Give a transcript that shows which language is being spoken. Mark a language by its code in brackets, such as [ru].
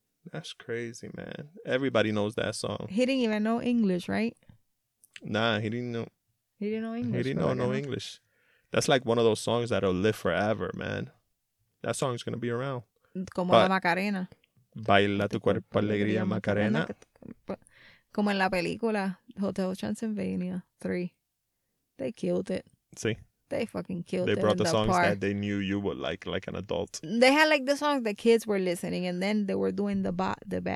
[en] That's crazy, man. Everybody knows that song. He didn't even know English, right? Nah, he didn't know. He didn't know English. He didn't know English. That's like one of those songs that'll live forever, man. That song's going to be around. [es] Como [en] but [es] la Macarena. Baila tu cuerpo, alegría, Macarena. Como en la película, Hotel Transylvania 3. [en] They killed it. See? They fucking killed it. They brought the songs part. That they knew you would like an adult. They had like the songs the kids were listening, and then they were doing the battle.